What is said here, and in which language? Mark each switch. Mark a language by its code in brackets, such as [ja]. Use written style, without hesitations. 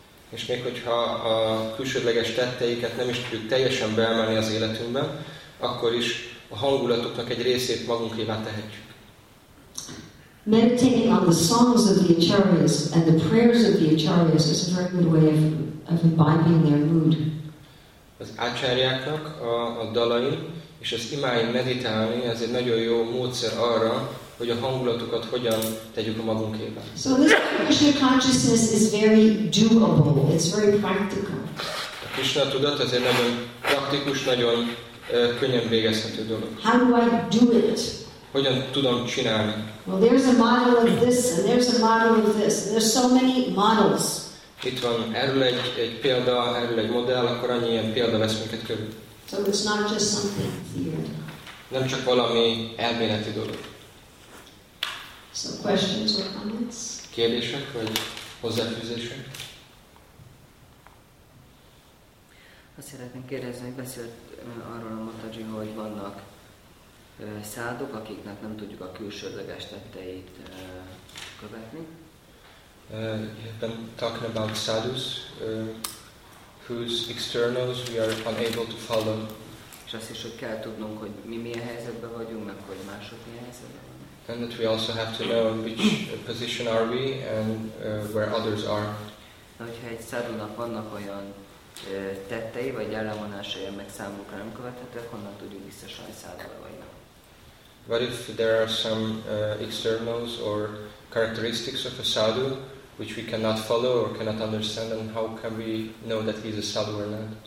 [hu] És még hogyha a külsődleges tetteiket nem is tudjuk teljesen beemelni az életünkben, akkor is a hangulatoknak egy részét magunkévá tehetjük. [en] Meditating on the songs of the acharyas and the prayers of the acharyas is a very good way of imbibing their mood. [hu] Az ácsáriáknak a dalai és az imáin meditálni ez egy nagyon jó módszer arra, hogy a hangulatokat hogyan tegyük a magunkébe. [en] So this Krishna consciousness is very doable. It's very practical. [hu] A Krishna tudat ez egy nagyon praktikus, nagyon könnyen végezhető dolog. [en] How do I do it? [hu] Hogyan tudom csinálni? [en] Well, there's a model of this, and there's a model of this. There's so many models. [hu] Itt van erről egy példa, erről egy modell, akkor annyi ilyen példa vesz minket körül. [en] So it's not just something theoretical. [hu] Nem csak valami elméleti dolog. [en] So questions or comments? [hu] Kérdések vagy hozzáfűzések? Azt szeretném kérdezni, hogy beszélt arról a Mataji, hogy vannak szádok, akiknek nem tudjuk a külsődleges tetteit követni. [en] You've been talking about sadhus, whose externals we are unable to follow. [hu] És azt is, hogy kell tudnunk, hogy mi milyen helyzetben vagyunk, meg hogy mások milyen helyzetben vannak. [en] And that we also have to know which position are we and where others are. [hu] Na, hogyha egy szadunak vannak olyan tettei, vagy ellenvonásai, amelyek számukra nem követhetők, honnan tudjuk biztosan, hogy szádban vagynak? [en] What if there are some externals or characteristics of a sadhu which we cannot follow or cannot understand, and how can we know that he is a sadhu or not?